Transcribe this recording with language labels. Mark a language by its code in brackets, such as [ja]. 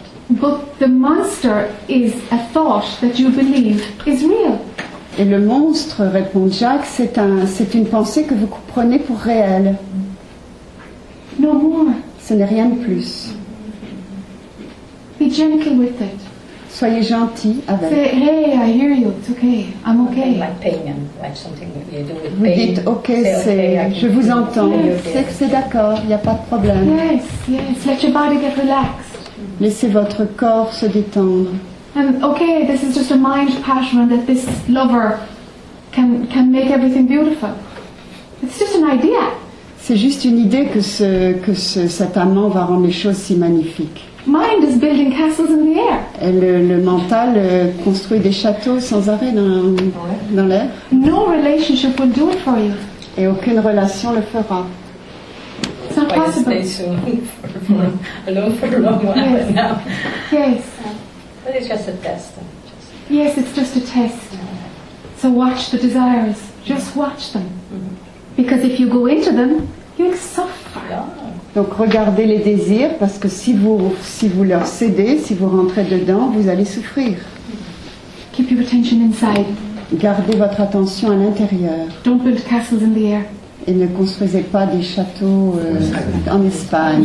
[en] But the monster is a thought that you believe is real. [fr] Et le monstre, répond Jack, c'est une pensée que vous prenez pour réelle. [en] No more. [fr] Ce n'est rien de plus. [en] Be gentle with it. [fr] Soyez gentil avec. [en] Say, hey, I hear you. It's okay. I'm okay. Like pain, like something you do with pain. [fr] Vous dites, okay, [en] say, [fr] c'est, [en] okay, [fr] je vous entends. [en] Yes. [fr] C'est que c'est d'accord. Il n'y a pas de problème. [en] Yes, yes. Let your body get relaxed. [fr] Laissez votre corps se détendre. [en] Okay, this is just a mind pattern that this lover can make everything beautiful. It's just an idea. [fr] C'est juste une idée que cet amant va rendre les choses si magnifiques. [en] Mind is building castles in the air. [fr] Et le mental construit des châteaux sans arrêt dans l'air. [en] No relationship will do it for you. [fr] Et aucune relation le fera. [en] It's not possible. Stay soon for a long while. Yes. Now. Yes. But it's just a test. Yes, it's just a test. So watch the desires. Just watch them. Mm-hmm. Because if you go into them, you'll suffer. Yeah. [fr] Donc regardez les désirs, parce que si vous leur cédez, si vous rentrez dedans, vous allez souffrir. [en] Keep your attention inside. [fr] Gardez votre attention à l'intérieur. [en] Don't build castles in the air. [fr] Et ne construisez pas des châteaux en Espagne.